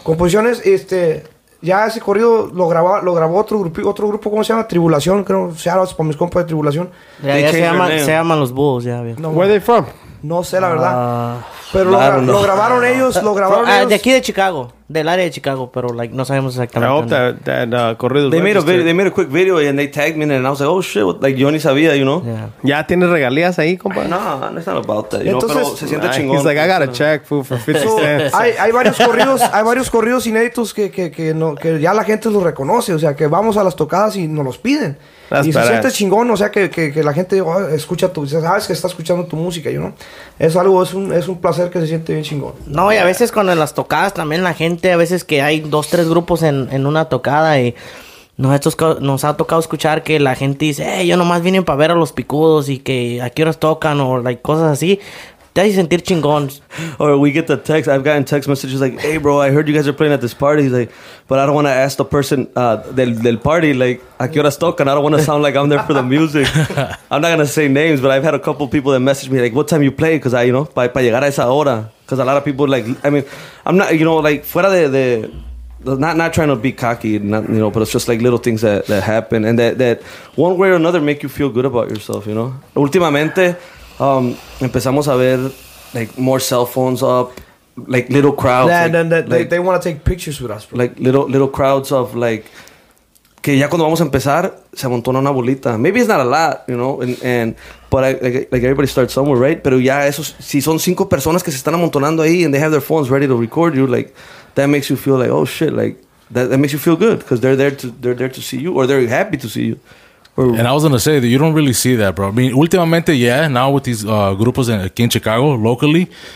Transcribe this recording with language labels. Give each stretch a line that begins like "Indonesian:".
Spanish: Composiciones, ya ese corrido lo grabó otro grupo, ¿cómo se llama? Tribulación, creo. Shoutouts para mis compas de Tribulación. Yeah, ya se llaman Los Búhos, ya.
English: No, where are they from?
Spanish: No sé, la verdad. Pero lo grabaron ellos. De aquí de Chicago, del área de Chicago, pero no sabemos exactamente.
English: I hope that corrido. They made a quick video and they tagged me and I was like, oh shit,
Spanish: yo ni sabía,
English: you know.
Spanish: Yeah. Ya tienes regalías ahí, compa. No,
English: it's not about that.
Spanish: Entonces, pero se siente chingón.
English: He's like, I got a check for 50 cents.
Spanish: hay varios corridos inéditos que ya la gente los reconoce, o sea, que vamos a las tocadas y nos los piden. That's y se siente chingón, o sea, que la gente escucha tu, sabes que está escuchando tu música, you know. Es algo, es un placer que se siente bien chingón. No, y a veces cuando las tocadas también la gente, a veces que hay dos, tres grupos en una tocada y nos ha tocado escuchar que la gente dice, hey, yo nomás vine para ver a Los Picudos y que a qué horas tocan o like, cosas así. Te hace sentir chingón.
English: Or we get the text. I've gotten text messages like, hey, bro, I heard you guys are playing at this party. He's like, but I don't want to ask the person del party, like,
Spanish: a qué horas tocan.
English: I don't want to sound like I'm there for the music. I'm not going to say names, but I've had a couple people that message me, like, what time you play? Because,
Spanish: para llegar a esa hora.
English: Because a lot of people, like, I mean, I'm not, you know, like,
Spanish: fuera de
English: not trying to be cocky, not, you know, but it's just like little things that happen. And that one way or another make you feel good about yourself, you know?
Spanish: Últimamente, empezamos a ver
English: like more cell phones up, like little crowds. Yeah, like, they want to take pictures with us, bro. Like little crowds of like
Spanish: que ya cuando vamos a empezar se amontona una bolita.
English: Maybe it's not a lot, you know, but everybody starts somewhere, right?
Spanish: Pero ya esos si son cinco personas que se están amontonando ahí
English: and they have their phones ready to record you, like that makes you feel like, oh shit, like that makes you feel good because they're there to see you or they're happy to see you. And I was going to say that you don't really see that, bro. I mean, últimamente, yeah, now with these grupos aquí in Chicago, locally.